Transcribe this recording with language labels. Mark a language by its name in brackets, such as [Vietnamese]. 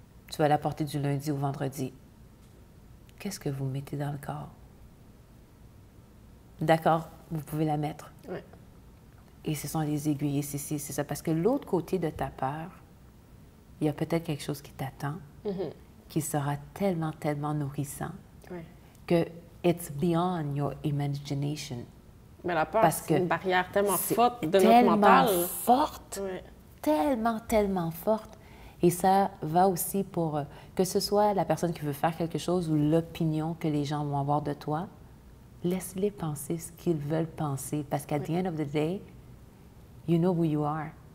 [French] Tu vas la porter du lundi au vendredi. Qu'est-ce que vous mettez dans le corps? D'accord, vous pouvez la mettre. Ouais. Et ce sont les aiguilles, c'est ça. Parce que l'autre côté de ta peur, il y a peut-être quelque chose qui t'attend, mm-hmm. qui sera tellement, tellement nourrissant, ouais. que [English] it's beyond your imagination. [French] Mais la peur, parce c'est que une barrière tellement forte de notre mental. Tellement forte, ouais. tellement, tellement forte. Et ça va aussi pour que ce soit la personne qui veut faire quelque chose ou l'opinion que les gens vont avoir de toi, laisse-les penser ce qu'ils veulent penser. Parce qu'à oui. [English] the end of the day, you know who you are.